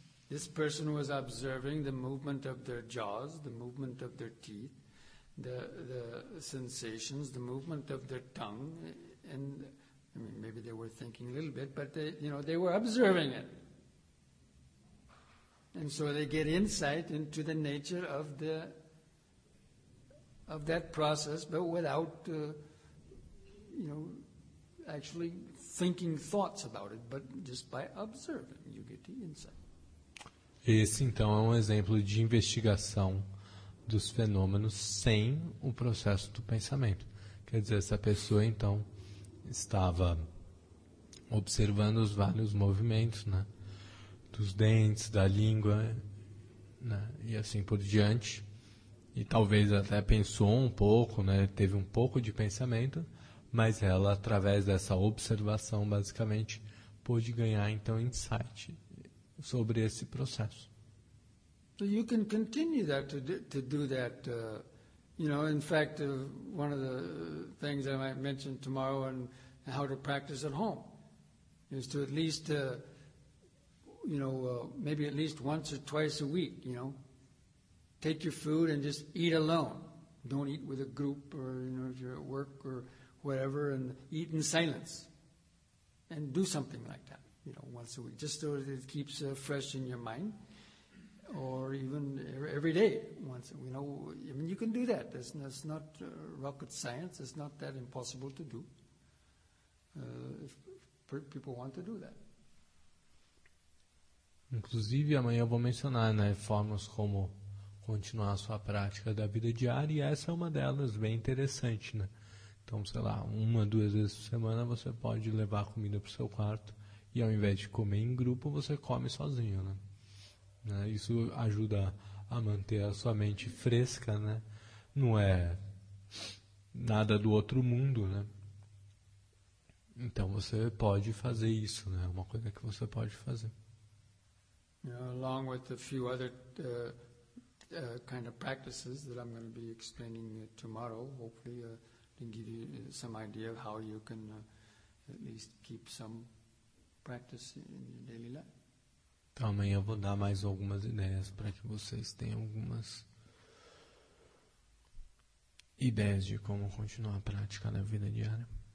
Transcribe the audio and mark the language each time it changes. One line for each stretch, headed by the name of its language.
English: This person was observing the movement of their jaws, the movement of their teeth, the sensations, the movement of their tongue, and I mean, maybe they were thinking a little bit, but they, you know, they were observing it, and so they get insight into the nature of the of that process, but without you know actually thinking thoughts about it, but just by observing, you get the insight.
Portuguese: Esse, então, é um exemplo de investigação dos fenômenos sem o processo do pensamento. Quer dizer, essa pessoa, então, estava observando os vários movimentos, né, dos dentes, da língua, né, e assim por diante. E talvez até pensou um pouco, né, teve um pouco de pensamento, mas ela, através dessa observação, basicamente, pôde ganhar, então, insight sobre esse processo.
English: So you can continue that to do that, you know. In fact, one of the things I might mention tomorrow and how to practice at home is to at least, you know, maybe at least once or twice a week, you know, take your food and just eat alone. Don't eat with a group, or, you know, if you're at work or whatever, and eat in silence, and do something like that, you know, once a week, just so that it keeps fresh in your mind. Or even every day, once, you know, I mean, you can do that. That's not rocket science. It's not that impossible to do, if people want to do that.
Portuguese: Inclusive, amanhã eu vou mencionar, né, formas como continuar a sua prática da vida diária, e essa é uma delas, bem interessante, né? Então, sei lá, uma, duas vezes por semana você pode levar a comida para o seu quarto, e ao invés de comer em grupo, você come sozinho, né? Isso ajuda a manter a sua mente fresca, né? Não é nada do outro mundo, né? Então você pode fazer isso, né? É uma coisa que você pode fazer.
English: You know, along with a few other kind of practices that I'm going to be explaining tomorrow, hopefully can give you some idea of how you can at least keep some practice in your daily life.
Portuguese: Então, amanhã eu vou dar mais algumas ideias para que vocês tenham algumas ideias de como continuar a prática na vida diária.